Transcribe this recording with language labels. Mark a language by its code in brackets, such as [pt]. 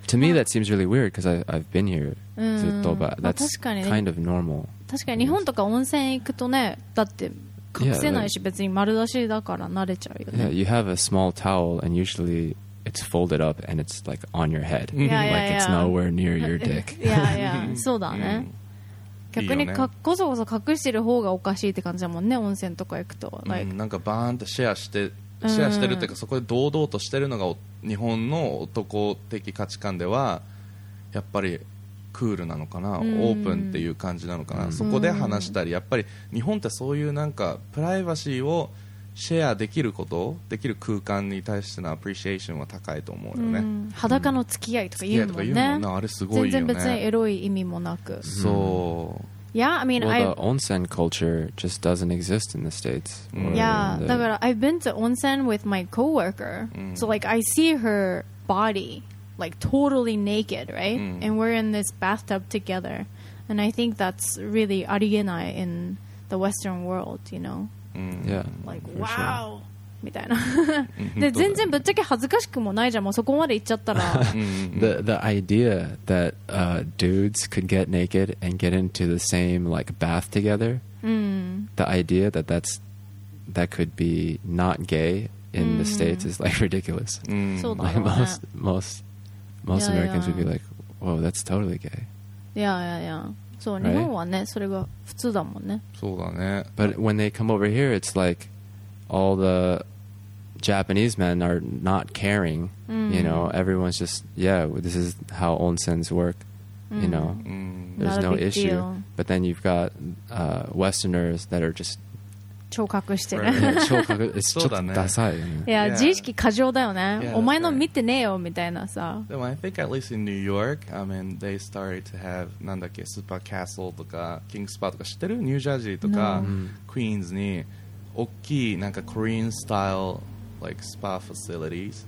[en] To me that seems really weird because I've been here [ja] ずっと、 [en] but that's kind of normal. [ja] 確かに日本とか温泉行くとね、だって隠せないし、別に丸出しだから慣れちゃうよね。 [en] Yeah, you have a small towel and usually it's folded up and it's like on your head. Yeah, like yeah, yeah. It's nowhere near your dick. Yeah, yeah. [ja] そうだね。逆にこそこそ隠してる方がおかしいって感じだもんね、温泉とか行くと。 Like, なんかバーンってシェアしてるっていうか、そこで堂々としてるのが日本の男的価値観ではやっぱりクールなのかな、オープンっていう感じなのかな。そこで話したり、やっぱり日本ってそういうなんかプライバシーをシェアできることできる空間に対してのアプリシエーションは高いと思うよね。裸の付き合いとか言うもんね。んあれすごいよね。全然別にエロい意味もなく。そう。 [en] Yeah, I mean, well, the onsen culture just doesn't exist in the States. Yeah, the... I've been to onsen with my coworker. So like, I see her body like totally naked, right? And we're in this bathtub together. And I think that's really [ja] ありえない [en] in the Western world, you know? Yeah. Like, wow! Sure. [ja] みたいなで全然ぶっちゃけ恥ずかしくもないじゃん、もうそこまで行っちゃったら。 [en] the idea that、dudes could get naked and get into the same like bath together、the idea that that's that could be not gay in the States is like ridiculous、 like, most yeah, Americans yeah. would be like whoa that's totally gay yeah yeah yeah [ja] そう、 [en] right? [ja] 日本はねそれが普通だもんね。そうだね。 [en] But when they come over here it's likeAll the Japanese men are not caring, you know. Everyone's just, yeah, this is how onsens work, you know. There's not no issue. Deal. But then you've got Westerners that are just... [ja] 超隠してる。超隠してる。 [en] It's just [ja] ダサい。いや、自意識過剰だよね。お前の見てねえよみたいなさ。でも [en] I think at least in New York, I mean, they started to have, [ja] なんだっけ、スーパーカッスルとか、キングスパーとか知ってる？ニュージャージーとか、クイーンズに。大きいなんか [en] Korean style like spa facilities.